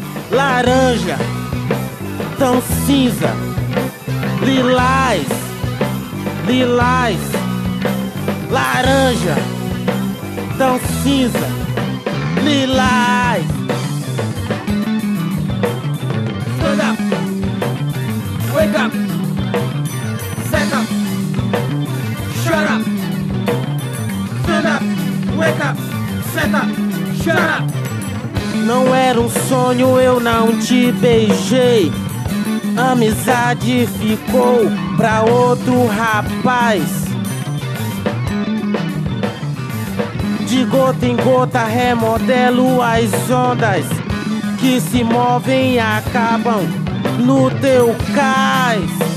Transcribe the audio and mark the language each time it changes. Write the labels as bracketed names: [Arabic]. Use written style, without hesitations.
[Portuguese] Laranja tão cinza, lilás, lilás, laranja tão cinza, lilás. [English] Stand up, wake up, stand up, shut up. Stand up, wake up, stand up, shut up. [Portuguese] Não era um sonho, eu não te beijei. Amizade ficou pra outro rapaz. De gota em gota remodelo as ondas que se movem e acabam no teu cais.